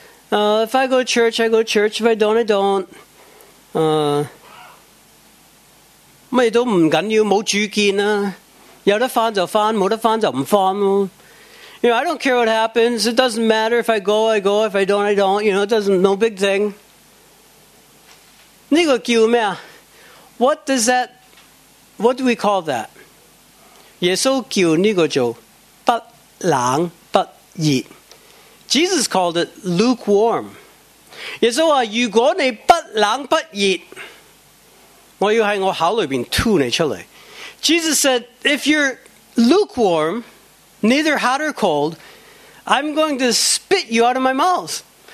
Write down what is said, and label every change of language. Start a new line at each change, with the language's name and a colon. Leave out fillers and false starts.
English: If I go to church, I go to church. If I don't, I don't.
Chinese: 什么都不要紧,没主见,有得回就回,没得回就不回.
English: You know, I don't care what happens. It doesn't matter if I go, I go. If I don't, I don't. You know, it doesn't, no big thing.
Chinese: 这个叫什么?
English: What does that, what do we call that?
Chinese: 耶稣叫这个叫不冷不热.
English: Jesus called it lukewarm.
Chinese: 耶稣说,如果你不冷不热, 我要在我口里面吐你出来.
English: Jesus said, if you're lukewarm, neither hot or cold, I'm going to spit you out of my mouth.